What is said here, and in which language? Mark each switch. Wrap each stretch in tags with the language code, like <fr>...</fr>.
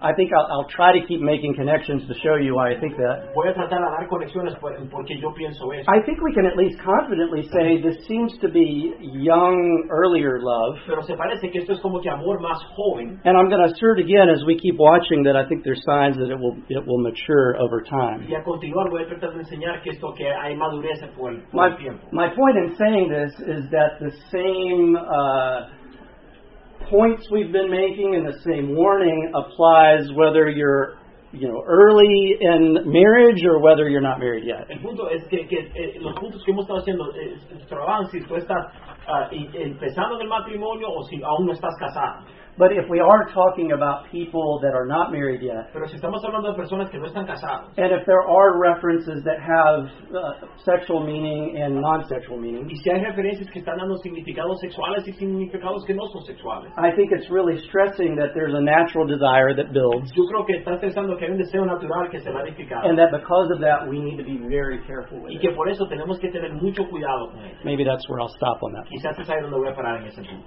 <en>I think I'll try to keep making connections to show you why I think that.</en> <es>Voy a tratar de dar conexiones porque yo pienso eso.</es> <en>I think we can at least confidently say this seems to be young, earlier love.</en> <es>Pero se parece que esto es como que amor más joven.</es> <en>And I'm going to assert again as we keep watching that I think there's signs that it will mature over time.</en> <es>Y a continuar voy a tratar de enseñar que esto que hay madurez por el tiempo.</es> <en>My point in saying this is that the same points we've been making and the same warning applies whether you're, you know, early in marriage or whether you're not married yet.</en> <es>El punto es que los puntos que hemos estado haciendo trabajan si tú estás empezando en el matrimonio o si aún no estás casado.</es> <en>But if we are talking about people that are not married yet,</en> <es>pero si estamos hablando de personas que no están casados,</es> <en>and if there are references that have sexual meaning and non-sexual meaning,</en> <es>y si hay referencias que están dando significados sexuales y significados que no son sexuales,</es> <en>I think it's really stressing that there's a natural desire that builds.</en> <es>Yo creo que está pensando que hay un deseo natural que se va edificando.</es> <en>And that because of that, we need to be very careful with it.</en> <es>Y que por eso tenemos que tener mucho cuidado con ello.</es> <en>Maybe that's where I'll stop on that.</en> <es>Quizás es ahí donde voy a parar en ese punto.</es>